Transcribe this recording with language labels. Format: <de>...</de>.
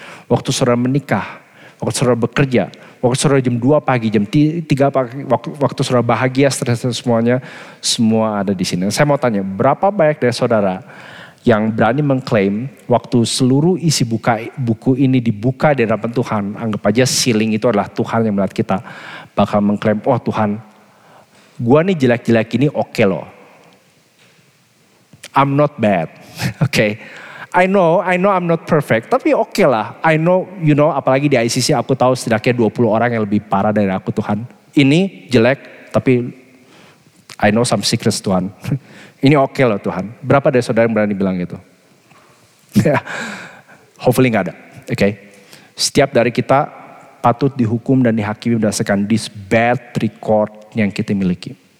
<id>Waktu saudara menikah, waktu saudara bekerja, waktu saudara jam 2 pagi, jam 3 pagi, waktu saudara bahagia, stres, semuanya, semua ada di sini. Saya mau tanya, berapa banyak dari saudara yang berani mengklaim waktu seluruh isi buku ini dibuka di hadapan Tuhan, anggap aja ceiling itu adalah Tuhan yang melihat kita, bakal mengklaim, oh Tuhan, gua nih jelek-jelek ini oke loh.</id> <en>I'm not bad, oke. Okay. I know I'm not perfect,</en> <id>tapi oke lah.</id> <en>I know, you know,</en> <id>apalagi di ICC aku tahu setidaknya 20 orang yang lebih parah dari aku Tuhan. Ini jelek, tapi</id> <en>I know some secrets</en> <id>Tuhan. Ini oke loh Tuhan. Berapa dari saudara yang berani bilang gitu?</id> <en>Hopefully</en> <id>gak ada. Oke. Okay. Setiap dari kita patut dihukum dan dihakimi berdasarkan</id> <en>this bad record</en> <id>yang kita miliki.</id>